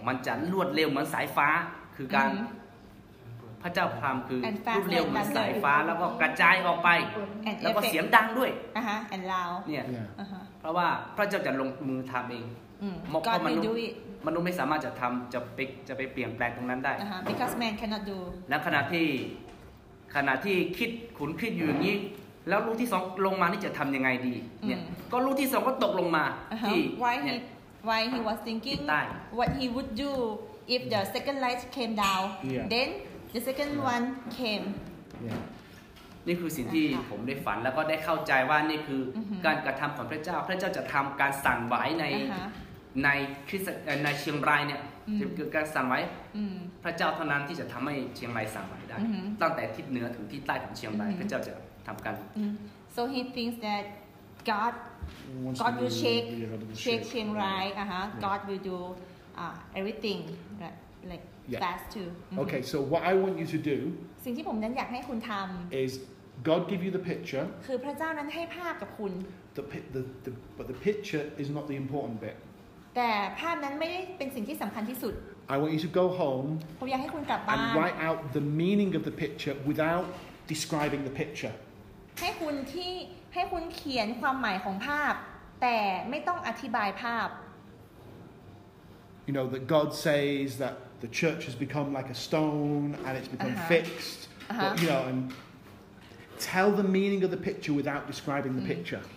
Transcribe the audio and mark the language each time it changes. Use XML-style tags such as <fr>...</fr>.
<th>มันจะรวดเร็วเหมือนสายฟ้าคือการพระเจ้าพามคือรู ปเรียวเหมือนสายฟ้าแล้วก็กระจายออกไปแล้วก็เสียงดังด้วย</th> <en>and loud</en> <th>เนี่ยเพราะว่าพระเจ้าจะลงมือทำเอง เพราะ มนุษย์ไม่สามารถจะทำจะไปเปลี่ยนแปลงตรงนั้นได้</th> <en>because man cannot do</en> <th>แล้วขณะที่คิดขุนคิดอยู่อย่างนี้แล้วลูกที่สองลงมานี่จะทำยังไงดีเนี่ ยก็ลูกที่สองก็ตกลงมาที่</th> <en>why he was thinking what he would do if the second light came down thenThe second one came. Yeah.</en> <th>นี่คือสิ่งที่ผมได้ฝันแล้วก็ได้เข้าใจว่านี่คือการกระทำของพระเจ้าพระเจ้าจะทำการสั่นไหวในเชียงรายเนี่ยจะเกิดการสั่นไหวพระเจ้าเท่านั้นที่จะทำให้เชียงรายสั่นไหวได้ ตั้งแต่ทิศเหนือถึงทิศใต้ของเชียงรายพระเจ้าจะทำการ</th> <en>So he thinks that God will shake เชียงราย God will do everything like Okay, so what I want you to do</en> <th>สิ่งที่ผมนั้นอยากให้คุณทำ</th> <en>is God give you the picture</en> <th>คือพระเจ้านั้นให้ภาพกับคุณ</th> <en>but the picture is not the important bit</en> <th>แต่ภาพนั้นไม่ได้เป็นสิ่งที่สำคัญที่สุด</th> <en>I want you to go home</en> <th>ผมอยากให้คุณกลับบ้าน</th> <en>and write out the meaning of the picture without describing the picture</en> <th>ให้คุณเขียนความหมายของภาพแต่ไม่ต้องอธิบายภาพ</th> <en>you know, that God says that the church has become like a stone and it's become fixed. But, you know, and tell the meaning of the picture without describing the picture.</en>